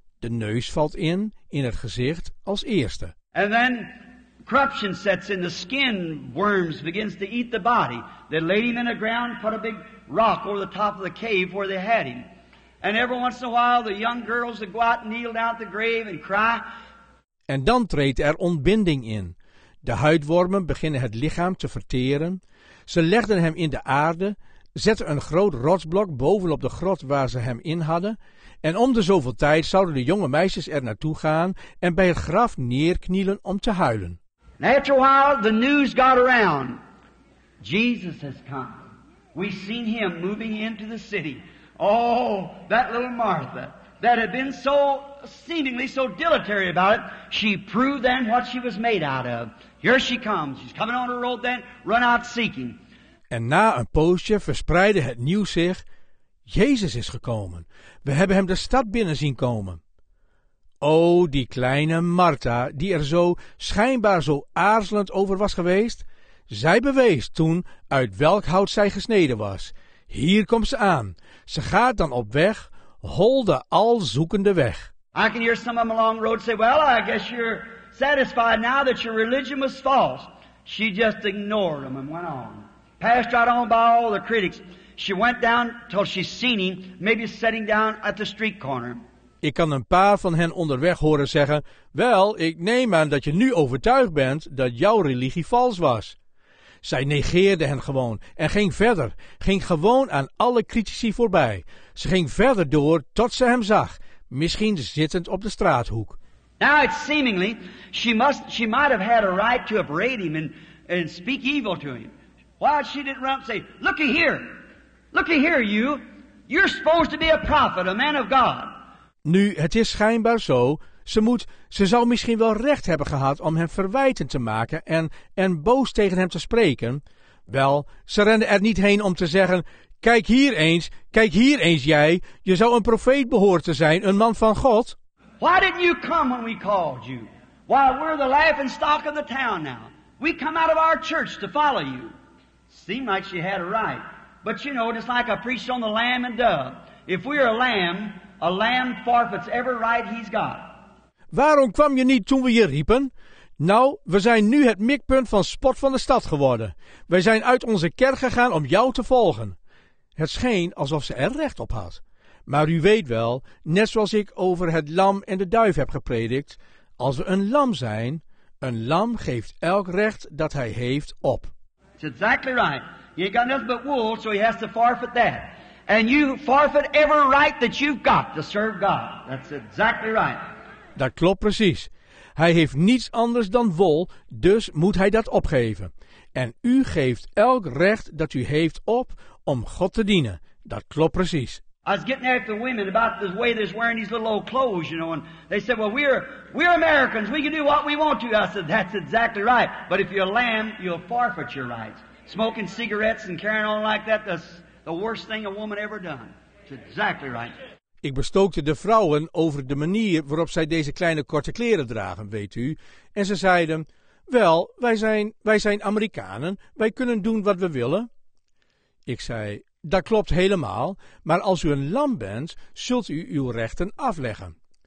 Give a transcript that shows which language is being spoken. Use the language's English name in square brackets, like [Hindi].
[Dutch] De neus valt in het gezicht als eerste. [English] And then corruption sets in, the skin worms begins to eat the body. They laid him in the ground, put a big rock over the top of the cave where they had him. And every once in a while the young girls would go out and kneel down at the grave and cry. [Dutch] En dan treedt er ontbinding in. De huidwormen beginnen het lichaam te verteren. Ze legden hem in de aarde, zetten een groot rotsblok bovenop de grot waar ze hem in hadden. En om de zoveel tijd zouden de jonge meisjes er naartoe gaan en bij het graf neerknielen om te huilen. [English] And after a while the news got around. Jesus has come. We've seen him moving into the city. Oh, that little Martha, that had been so seemingly so dilatory about it, she proved then what she was made out of. Here she comes, she's coming on her road then, run out seeking. [Dutch] En na een poosje verspreidde het nieuws zich, Jezus is gekomen, we hebben hem de stad binnen zien komen. Oh, die kleine Martha, die er zo schijnbaar zo aarzelend over was geweest, zij bewees toen uit welk hout zij gesneden was. Hier komt ze aan. Ze gaat dan op weg, holde al zoekende weg. [English] I can hear some of them along the road say, well, I guess you're satisfied now that your religion was false. She just ignored him and went on. Passed right on by all the critics. She went down till she seen him, maybe sitting down at the street corner. [Dutch] Ik kan een paar van hen onderweg horen zeggen, wel, ik neem aan dat je nu overtuigd bent dat jouw religie vals was. Zij negeerde hen gewoon en ging verder, ging gewoon aan alle critici voorbij. Ze ging verder door tot ze hem zag, misschien zittend op de straathoek. [English] Now it's seemingly, she might have had a right to upbraid him and speak evil to him. Why she didn't run and say, looky here you, you're supposed to be a prophet, a man of God. [Dutch] Nu, het is schijnbaar zo, ze zou misschien wel recht hebben gehad om hem verwijten te maken en boos tegen hem te spreken. Wel, ze rende er niet heen om te zeggen, kijk hier eens jij, je zou een profeet behoren te zijn, een man van God. [English] Why didn't you come when we called you? Why, we're the laughing stock of the town now. We come out of our church to follow you. Seemed like she had a right. But you know, just like I preached on the lamb and dove. If we're a lamb forfeits every right he's got. [Dutch] Waarom kwam je niet toen we je riepen? Nou, we zijn nu het mikpunt van spot van de stad geworden. Wij zijn uit onze kerk gegaan om jou te volgen. Het scheen alsof ze er recht op had. Maar u weet wel, net zoals ik over het lam en de duif heb gepredikt, als we een lam zijn, een lam geeft elk recht dat hij heeft op. [English] It's exactly right. He ain't got nothing but wool, so he has to forfeit that. And you forfeit every right that you've got to serve God. That's exactly right. [Dutch] Dat klopt precies. Hij heeft niets anders dan wol, dus moet hij dat opgeven. En u geeft elk recht dat u heeft op om God te dienen. Dat klopt precies. [English] I was getting after the women about the way they're wearing these little old clothes, you know, and they said, well, we're Americans, we can do what we want to. I said, that's exactly right. But if you're a lamb, you'll forfeit your rights. Smoking cigarettes and carrying on like that, that's the worst thing a woman ever done. It's exactly right. [Dutch] Ik bestookte de vrouwen over de manier waarop zij deze kleine korte kleren dragen, weet u. En ze zeiden, wel, wij zijn Amerikanen, wij kunnen doen wat we willen. Ik zei, dat klopt helemaal, maar als u een lam bent, zult u uw rechten afleggen.